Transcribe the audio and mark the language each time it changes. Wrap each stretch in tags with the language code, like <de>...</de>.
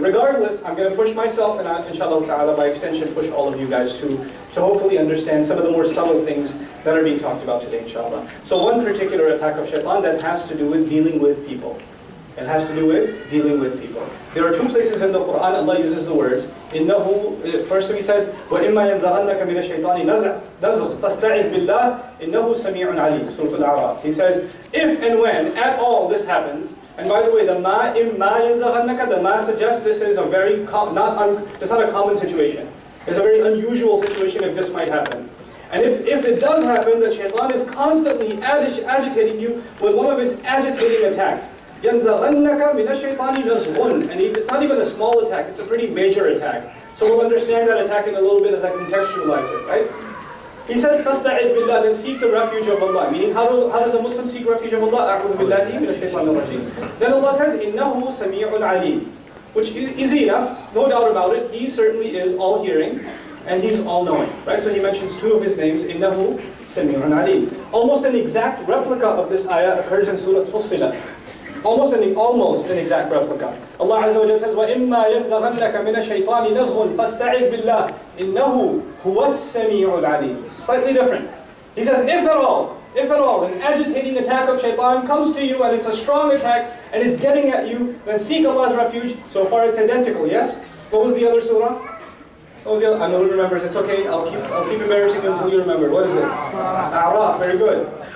<en>Regardless, I'm going to push myself and inshallah ta'ala by extension push all of you guys to hopefully understand some of the more subtle things that are being talked about today, inshallah. So one particular attack of Shaitan that has to do with dealing with people. It has to do with dealing with people. There are two places in the Quran Allah uses the words. Innahu, first of he says,</en> <ar>وَإِمَّا يَنْزَغَنَّكَ مِنَ الشَّيْطَانِ نَزْغُ فَاسْتَعِذْ بِاللَّهِ إِنَّهُ سَمِيعٌ عَلِيمٌ Surah Al-A'raf.</ar> <en>He says, if and when at all this happens, and by the way, the ma</en> <ar>إِمَّا يَنْزَغَنَّكَ,</ar> <en>the ma suggests this is a very not a common situation. It's a very unusual situation if this might happen. And if it does happen, that shaitan is constantly agitating you with one of his agitating attacks.</en> <ar>يَنْزَغَنَّكَ مِنَ الشَّيْطَانِ نَزْغٌ</ar> <en>And it's not even a small attack, it's a pretty major attack. So we'll understand that attack in a little bit as I contextualize it, right? He says,</en> <ar>فَاسْتَعِذْ بِاللَّهِ</ar> <en>Then seek the refuge of Allah. Meaning, how does a Muslim seek refuge of Allah?</en> <ar>أَعُوذُ بِاللَّهِ مِنَ الشَّيْطَانِ الرَّجِيمِ</ar> <en>Then Allah says,</en> <ar>إِنَّهُ سَمِيعٌ عَلِيمٌ</ar> <en>Which is easy enough, no doubt about it. He certainly is all-hearing, and he's all-knowing, right? So he mentions two of his names,</en> <ar>إِنَّهُ سَمِيعٌ عَلِيمٌ</ar> <en>Almost an exact replica of this ayah occurs in Surah Fussilat. Almost an exact replica.</en> <ar>Allah Azza wa Jalla says, وَإِمَّا يَنْزَغَنَّكَ مِنَ الشَّيْطَانِ نَزْغٌ فَاسْتَعِذْ بِاللَّهِ إِنَّهُ هُوَ السَّمِيعُ الْعَلِيمُ</ar> <en>Slightly different. He says, if at all, an agitating attack of shaitan comes to you and it's a strong attack and it's getting at you, then seek Allah's refuge. So far it's identical, yes? What was the other surah? I know who remembers. It's okay. I'll keep embarrassing until you remember. What is it? A'raf. Very good.</en>